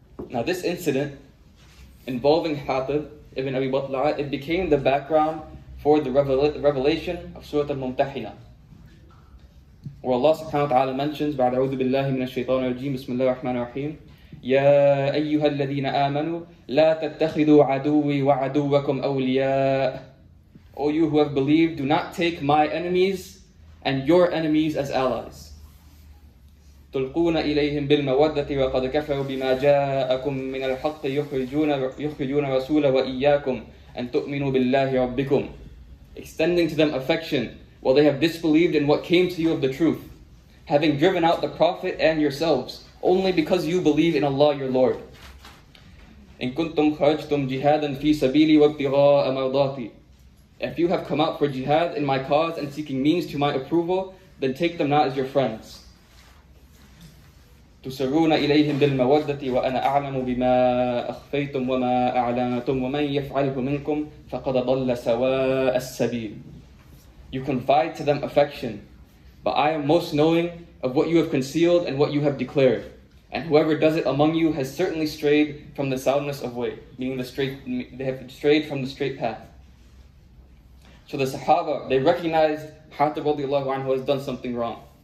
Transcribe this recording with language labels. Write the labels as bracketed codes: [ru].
[en] Now this incident involving Hatib ibn Abi Batla'a, it became the background for the revelation of Surah Al-Mumtahina, where Allah subhanahu wa ta'ala mentions, [ar] بعد عوذ بالله من الشيطان الرجيم بسم الله الرحمن الرحيم يا أيها الذين آمنوا لا تتخذوا عدوي وعدوكم أولياء. [en] O you who have believed, do not take my enemies and your enemies as allies. [ar] تلقون إليهم بالمودة وقد كفروا بما جاءكم من الحق يخرجون رسول وإياكم أن تؤمنوا بالله ربكم. [en] Extending to them affection while they have disbelieved in what came to you of the truth, having driven out the Prophet and yourselves only because you believe in Allah your Lord. [ar] إن كنتم خرجتم جهادا في سبيلي وابتغاء مرضاتي. [en] If you have come out for jihad in my cause and seeking means to my approval, then take them not as your friends. [ar] تسرون إليهم بالمودة وأنا أعلم بما أخفيتم وما أعلنتم ومن يفعله منكم فقد ضل سواء السبيل. [en] You confide to them affection, But I am most knowing of what you have concealed and what you have declared. And whoever does it among you has certainly strayed from the soundness of way, meaning they have strayed from the straight path. So the Sahaba, they recognized Hatib radiallahu anhu has done something wrong.